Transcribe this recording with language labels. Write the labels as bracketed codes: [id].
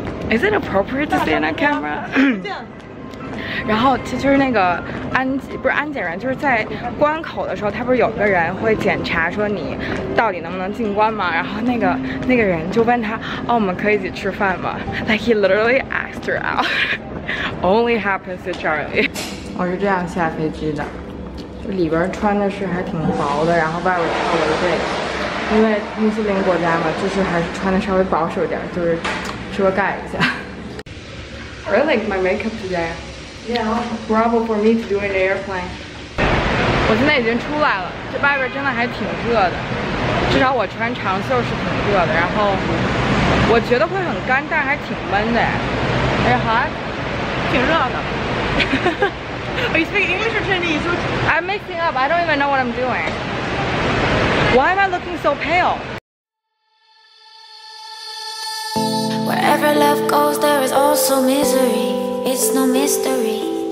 [en] Is it appropriate to stand on camera? [zh] 然后其实那个不是安检员，就是在关口的时候，他不是有个人会检查说你到底能不能进关吗？然后那个人就问他，哦，我们可以一起吃饭吗？ [en] Like he literally asked her out. Only happens to Charlie. [zh] 我是这样下飞机的，就里边穿的是还挺薄的，然后外边套了这个，因为穆斯林国家嘛，就是还是穿的稍微保守点，就是。遮盖一下。 [en] I really like my makeup today. Yeah. Bravo for me to do an airplane. [zh] 我现在已经出来了，这外边真的还挺热的，至少我穿长袖是挺热的。然后我觉得会很干，但还挺闷的。哎，好啊，挺热的。 [en] Are you speaking English or Chinese? I'm mixing up. I don't even know what I'm doing. Why am I looking so pale? Wherever love goes, there is also misery. It's no mystery.